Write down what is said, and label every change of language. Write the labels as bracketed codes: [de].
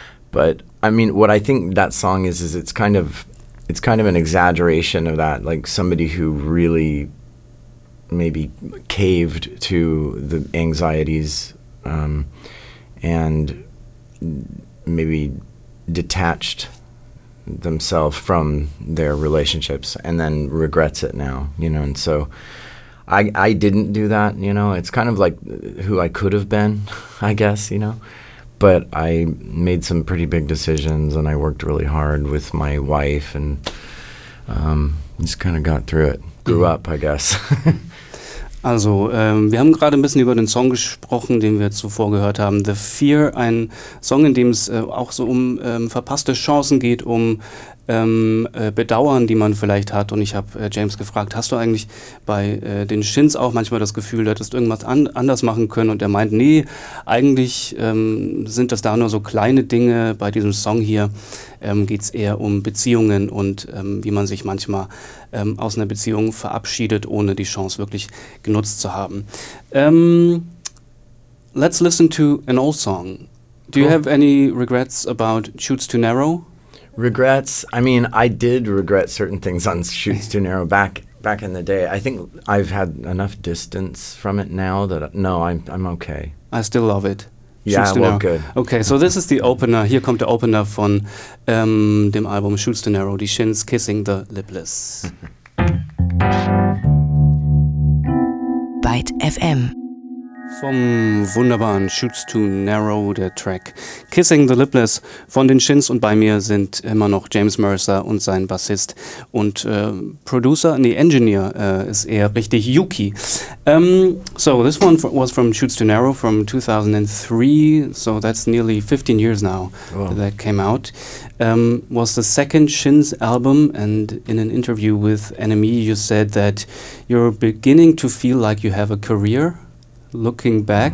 [en] But I mean, what I think that song is it's kind of an exaggeration of that, like somebody who really maybe caved to the anxieties and maybe detached themselves from their relationships and then regrets it now, you know. And so I didn't do that, you know. It's kind of like who I could have been, I guess, you know. But I made some pretty big decisions, and I worked really hard with my wife, and just kind of got through it. Grew up, I guess. [de] Also, wir haben gerade ein bisschen über den Song gesprochen, den wir zuvor gehört haben. The Fear, ein Song, in dem es auch so um verpasste Chancen geht, um Bedauern, die man vielleicht hat. Und ich habe James gefragt, hast du eigentlich bei den Shins auch manchmal das Gefühl, du hättest irgendwas anders machen können? Und er meint, nee, eigentlich sind das da nur so kleine Dinge. Bei diesem Song hier geht es eher um Beziehungen und wie man sich manchmal aus einer Beziehung verabschiedet, ohne die Chance wirklich genutzt zu haben. [en] Let's listen to an old song. Do you have any regrets about Shoots Too Narrow? Regrets? I mean, I did regret certain things on Shoots Too Narrow back in the day. I think I've had enough distance from it now that, I'm okay. I still love it. Yeah, well, Narrow. Good. Okay, so this is the opener. [de] Hier kommt der Opener von dem Album Shoots Too Narrow, Die Shins Kissing the Lipless. ByteFM. Vom wunderbaren Shoots Too Narrow, der Track Kissing the Lipless von den Shins. Und bei mir sind immer noch James Mercer und sein Bassist und Producer, nee, Engineer ist eher richtig, Yuuki. [en] So, this one was from Shoots Too Narrow from 2003, so that's nearly 15 years now that came out. Was the second Shins album, and in an interview with NME you said that you're beginning to feel like you have a career. Looking back,